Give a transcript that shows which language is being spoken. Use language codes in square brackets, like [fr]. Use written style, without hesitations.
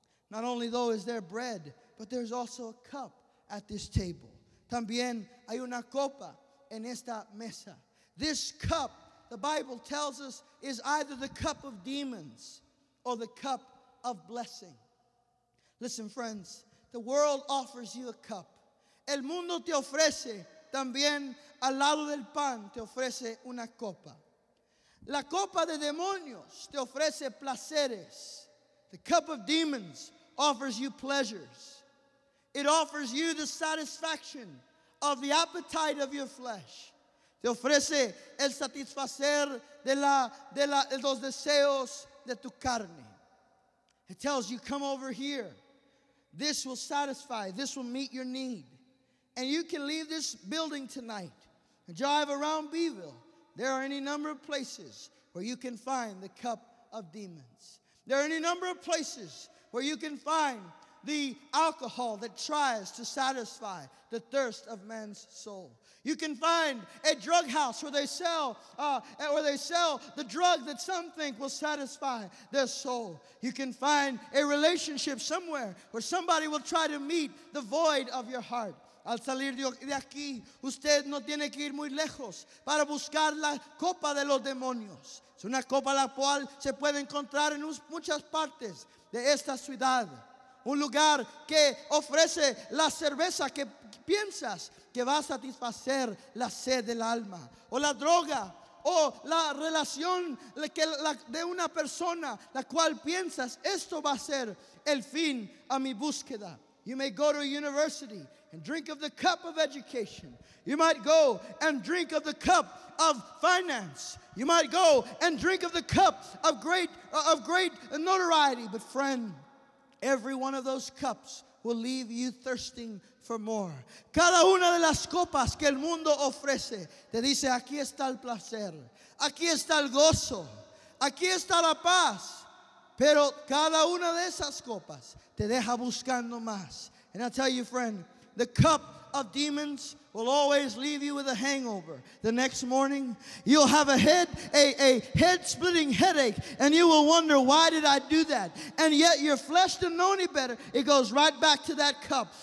[en] Not only though is there bread, but there's also a cup at this table. [es] También hay una copa en esta mesa. [en] This cup, the Bible tells us, is either the cup of demons or the cup of blessing. Listen, friends, the world offers you a cup. [es] El mundo te ofrece también, al lado del pan, te ofrece una copa. La copa de demonios te ofrece placeres. [en] The cup of demons offers you pleasures. It offers you the satisfaction of the appetite of your flesh. [es] Te ofrece el satisfacer de los deseos de tu carne. [en] It tells you, come over here. This will satisfy. This will meet your need. And you can leave this building tonight and drive around Beeville. There are any number of places where you can find the cup of demons. There are any number of places where you can find the alcohol that tries to satisfy the thirst of man's soul. You can find a drug house where they sell the drug that some think will satisfy their soul. You can find a relationship somewhere where somebody will try to meet the void of your heart. [es] Al salir de aquí, usted no tiene que ir muy lejos para buscar la copa de los demonios. Es una copa la cual se puede encontrar en muchas partes de esta ciudad. Un lugar que ofrece la cerveza que piensas que va a satisfacer la sed del alma. O la droga, o la relación de una persona la cual piensas, esto va a ser el fin a mi búsqueda. [en] You may go to a university and drink of the cup of education. You might go and drink of the cup of finance. You might go and drink of the cup of great notoriety. But friend, every one of those cups will leave you thirsting for more. [es] Cada una de las copas que el mundo ofrece te dice, aquí está el placer, aquí está el gozo, aquí está la paz. Pero cada una de esas copas te deja buscando más. [en] And I tell you, friend, the cup of demons will always leave you with a hangover. The next morning, you'll have a head-splitting headache, and you will wonder, why did I do that? And yet your flesh didn't know any better. It goes right back to that cup.